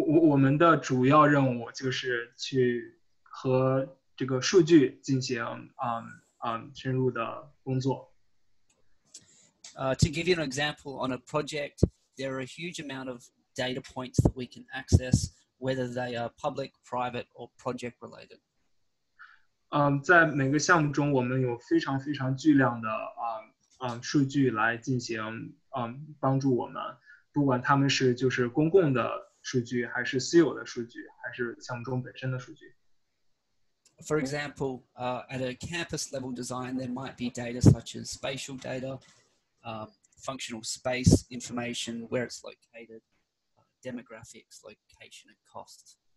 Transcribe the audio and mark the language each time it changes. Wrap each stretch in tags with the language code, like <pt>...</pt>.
<zh>我们的主要任务就是去和这个数据进行深入的工作。</zh> <en>To give you an example, on a project, there are a huge amount of data points that we can access, whether they are public, private, or project related.</en> <zh>在每个项目中我们有非常非常巨量的数据来进行帮助我们，不管他们是就是公共的数据，还是私有的数据，还是项目中本身的数据。</zh> <en>For example, at a campus level design, there might be data such as spatial data, functional space information, where it's located, demographics, location, and cost.</en>